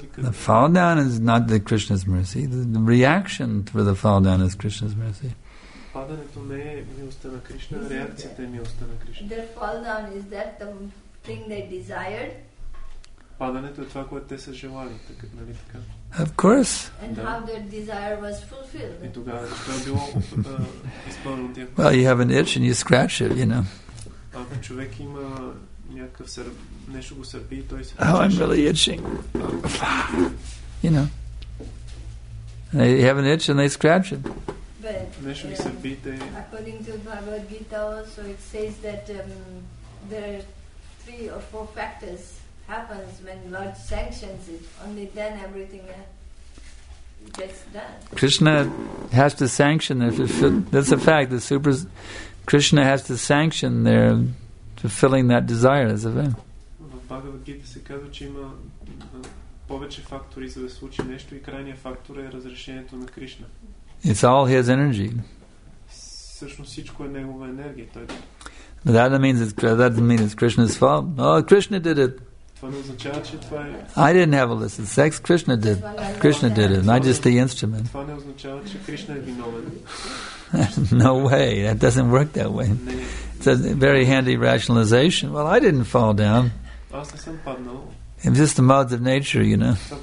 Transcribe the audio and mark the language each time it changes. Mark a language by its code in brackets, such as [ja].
[en] The fall down is not the Krishna's mercy. The reaction for the fall down is Krishna's mercy. [bg] Падането не е милостта на Кришна, реакцията е милостта на Кришна. [en] The fall down is that the thing they desired. [bg] Падането е това, което те са желали, така, нали така? [en] Of course. And да. How their desire was fulfilled. [bg] И тогава, това е било изпълнено от тях. [en] Well, you have an itch and you scratch it, you know. [bg] Ако човек има някакъв нещо го сърби, той се... [en] Oh, I'm really itching. You know. They have an itch and they scratch it. But according to Bhagavad Gita also it says that there are three or four factors happens when Lord sanctions it. Only then everything gets done. Krishna has to sanction it. That's a fact. Krishna has to sanction their fulfilling that desire. That's a fact. [bg] Bhagavad Gita se kazva che ima повече фактори за да случи нещо и крайният фактор е разрешението на Кришна. [en] It's all his energy. [bg] Всъщност всичко е негова енергия. Той... [en] But that means it's, that doesn't mean it's Krishna's fault. Oh, Krishna did it. [bg] Това не означава, че това е... [en] I didn't have illicit sex. Krishna did. Krishna did it. Not just the instrument. [bg] Това не означава, че Кришна е виновен. [en] No way. That doesn't work that way. It's a very handy rationalization. Well, I didn't fall down. [bg] Аз не съм паднал. [en] It's just the modes of nature, you know.